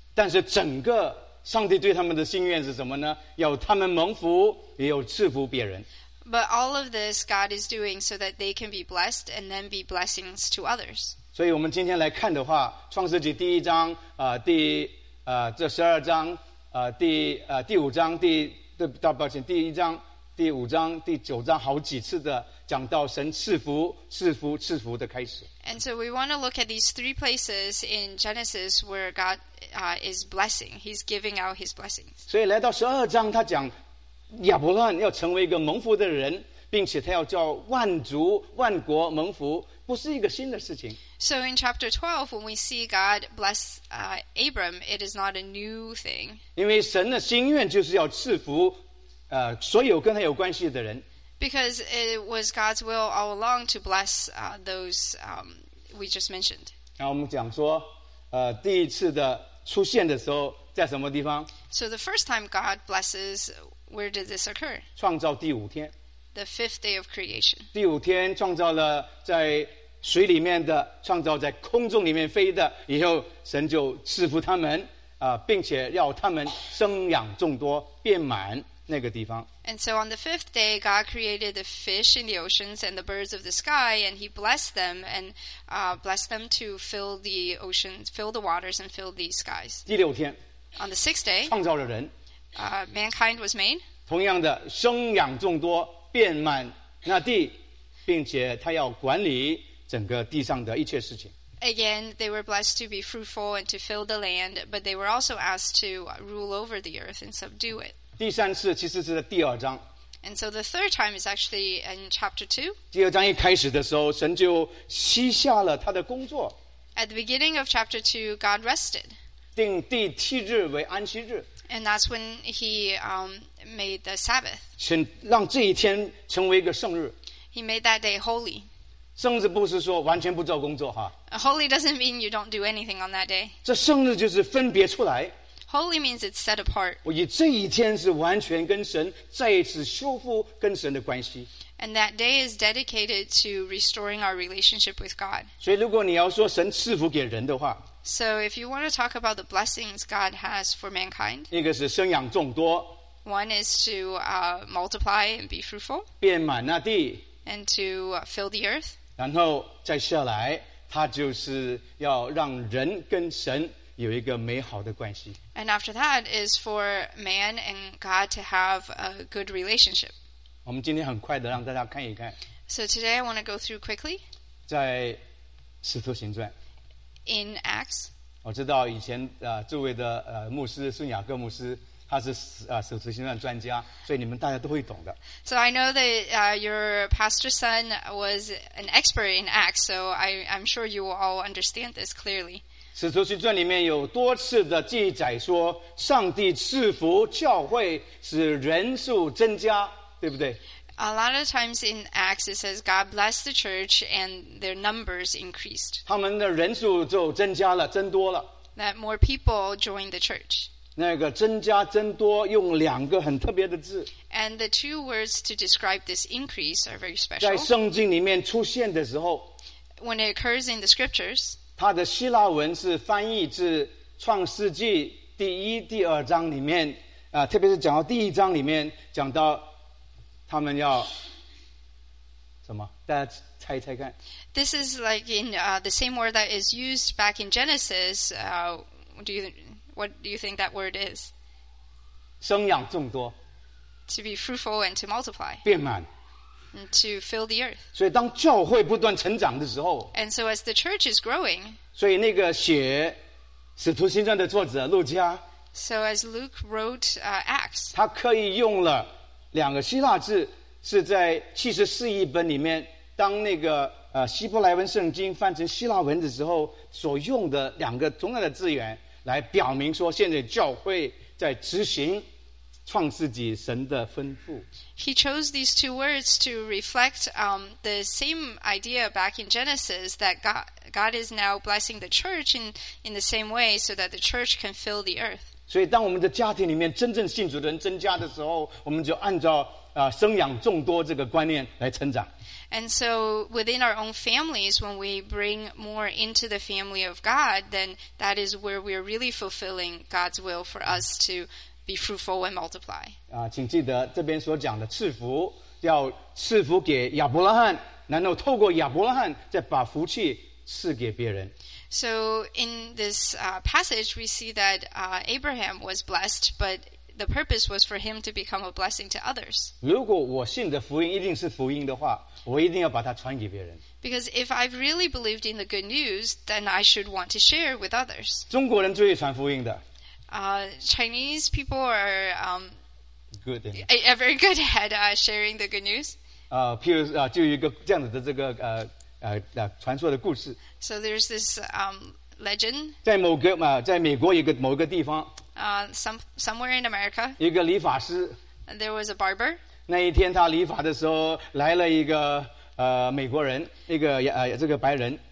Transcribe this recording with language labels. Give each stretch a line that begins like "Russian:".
Chinese: 但是整个上帝对他们的心愿是什么呢? 要他们蒙福, 也有赐福别人。
English: But all of this God is doing so that they can be blessed and then be blessings to others.
Chinese: 所以我们今天来看的话, 创世纪第一章, 这12章, 第5章, 第1章, 第5章, 第9章, 好几次的讲到神赐福, 赐福, 赐福的开始。
English: And so we want to look at these three places in Genesis where God is blessing. He's giving out his blessings.
Chinese: 所以来到12章, 他讲亚伯拉罕要成为一个蒙福的人, 并且他要叫万族万国蒙福, 不是一个新的事情。
English: So in chapter 12, when we see God bless Abram, it is not a new thing.
Chinese: 因为神的心愿就是要赐福, 所有跟他有关系的人。
English: Because it was God's will all along to bless those we just mentioned.
Chinese: 然后我们讲说, 第一次的出现的时候在什么地方?
English: So the first time God blesses, where did this occur?
Chinese: 创造第5天。
English: The fifth day of creation.
Chinese: 第5天创造了在水里面的, 创造在空中里面飞的, 以后神就赐福他们, 并且要他们生养众多, 变满。
English: And so on the fifth day, God created the fish in the oceans and the birds of the sky, and he blessed them and blessed them to fill the oceans, fill the waters, and fill the skies.
Chinese: 第6天,
English: on the sixth day,
Chinese: 创造了人,
English: mankind was made.
Chinese: 同样的, 生养众多, 遍满那地, 并且他要管理整个地上的一切事情。
English: Again, they were blessed to be fruitful and to fill the land, but they were also asked to rule over the earth and subdue it.
Chinese: 第3次其实是在第2章。
English: And so the third time is actually in chapter 2.
Chinese: 第2章一开始的时候, 神就息下了他的工作。
English: At the beginning of chapter 2, God rested.
Chinese: 定第7日为安息日。
English: And that's when he made the Sabbath.
Chinese: 让这一天成为一个圣日。
English: He made that day holy.
Chinese: 圣日不是说完全不做工作, huh?
English: Holy doesn't mean you don't do anything on that day.
Chinese: 这圣日就是分别出来。
English: Holy means it's set apart.
Chinese: 我以这一天是完全跟神再一次修复跟神的关系。
English: And that day is dedicated to restoring our relationship with God.
Chinese: 所以如果你要说神赐福给人的话,
English: so if you want to talk about the blessings God has for mankind,
Chinese: 一个是生养众多,
English: one is to multiply and be fruitful,
Chinese: 遍满那地,
English: and to fill the earth.
Chinese: 然后再下来, 他就是要让人跟神 有一个美好的关系。
English: And after that is for man and God to have a good relationship.
Chinese: 我们今天很快的让大家看一看。
English: So today I want to go through quickly.
Chinese: 在使徒行传。
English: In Acts.
Chinese: 我知道以前 这位的牧师孙雅各牧师, 他是使徒行传专家, 所以你们大家都会懂的。
English: So I know that your pastor's son was an expert in Acts, so I'm sure you will all understand this clearly.
Chinese: 使徒行传里面有多次的记载说上帝赐福教会使人数增加, 对不对?
English: A lot of times in Acts it says God blessed the church and their numbers increased.
Chinese: 他们的人数就增加了, 增多了。
English: That more people joined the church.
Chinese: 那个增加增多用两个很特别的字。
English: And the two words to describe this increase are very special.
Chinese: 在圣经里面出现的时候
English: ，When it occurs in the scriptures，
Chinese: 它的希腊文是翻译自创世纪第一、第二章里面啊，特别是讲到第一章里面讲到他们要什么，大家。
English: This is like in the same word that is used back in Genesis. What do you think that word is?
Chinese: 生养众多。
English: To be fruitful and to multiply.
Chinese: 遍满。
English: To fill the earth.
Chinese: 所以当教会不断成长的时候。
English: And so as the church is growing.
Chinese: 所以那个写使徒行传的作者路加。
English: So as Luke wrote Acts.
Chinese: 他刻意用了两个希腊字，是在74译本里面。当那个希伯来文圣经翻成希腊文的时候，所用的两个同样的字源，来表明说现在教会在执行创世纪神的吩咐。
English: He chose these two words to reflect the same idea back in Genesis that God is now blessing the church in the same way so that the church can fill the earth.
Chinese: 所以当我们的家庭里面真正信主的人增加的时候，我们就按照生养众多这个观念来成长。
English: And so within our own families, when we bring more into the family of God, then that is where we are really fulfilling God's will for us to be fruitful and multiply.
Chinese: 请记得这边所讲的赐福，要赐福给亚伯拉罕，然后透过亚伯拉罕再把福气赐给别人。
English: So in this passage, we see that Abraham was blessed, but the purpose was for him to become a blessing to others.
Chinese: 如果我信的福音一定是福音的话，我一定要把它传给别人。
English: Because if I've really believed in the good news, then I should want to share with others.
Chinese: 中国人最传福音的。
English: Chinese people are good in a very good at sharing the good news.
Chinese: 譬如就有一个这样子的这个传说的故事。
English: So there's this legend.
Chinese: 在某个在美国一个某一个地方。
English: Somewhere in America.
Chinese: 一个理发师。
English: There was a barber.
Chinese: 那一天他理发的时候来了一个美国人，一个这个白人。